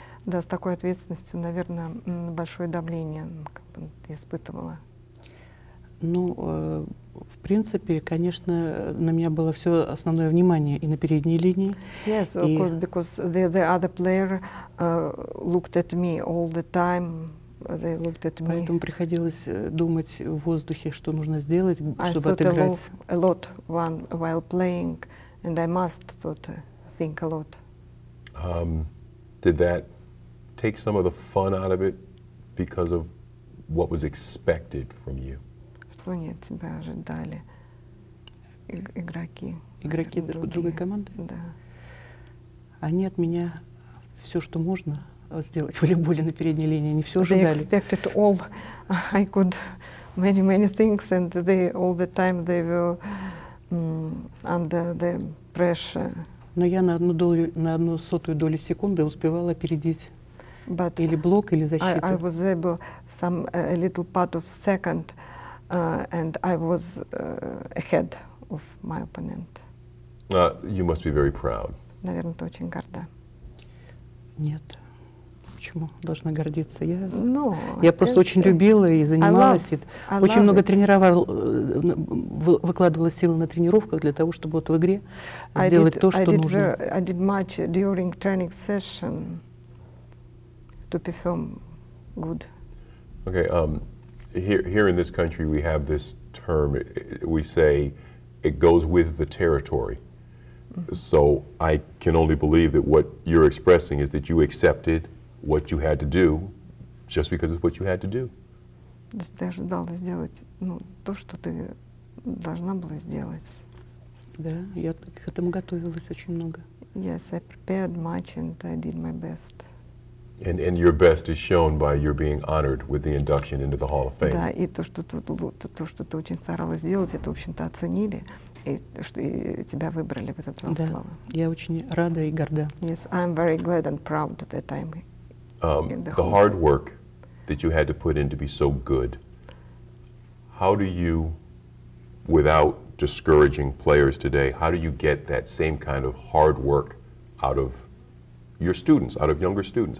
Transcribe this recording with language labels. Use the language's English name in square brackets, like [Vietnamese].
[Russian] Да, с такой ответственностью, наверное, большое давление как бы испытывала. Ну, в принципе, конечно, на меня было все основное внимание и на передней линии. [English] Yes, of course, because the other player looked at me all the time. They looked at me. [Russian] Поэтому приходилось думать в воздухе, что нужно сделать, чтобы отыграть. [English] I thought a lot while playing, and I must think a lot. Did that take some of the fun out of it because of what was expected from you? [Russian] Что не от тебя ожидали игроки? Игроки другой команды? Да. Они от меня все, что можно сделать в волейболе на передней линии, не все ожидали. [English] They expected all. I could many things, and they all the time they were under the pressure. [Russian] Но я на одну сотую долю секунды успевала опередить. [English] But [Russian] или блок, или защита. [English] I was able some a little part of second, and I was ahead of my opponent. You must be very proud. [Russian] Наверное, ты очень горда. Нет. Почему должна гордиться? Я, [English] no, [Russian] я просто очень любила и занималась. Очень много тренировала, выкладывала силы на тренировках для того, чтобы вот в игре сделать то, что нужно. [English] I did much during training session. To perform good. Okay, here in this country we have this term, we say it goes with the territory. So I can only believe that what you're expressing is that you accepted what you had to do just because it's what you had to do. [Russian] Ты ожидала сделать то, что ты должна была сделать. Да, я к этому готовилась очень много. [English] Yes, I prepared much and I did my best. And your best is shown by your being honored with the induction into the Hall of Fame. [Russian] Да, и то, что ты очень старалась сделать, это, в общем-то, оценили, и что тебя выбрали в этот зал славы. Я очень рада и горда. [English] Yes, I'm very glad and proud at that time. The hard work that you had to put in to be so good, how do you, without discouraging players today, how do you get that same kind of hard work out of your students, out of younger students?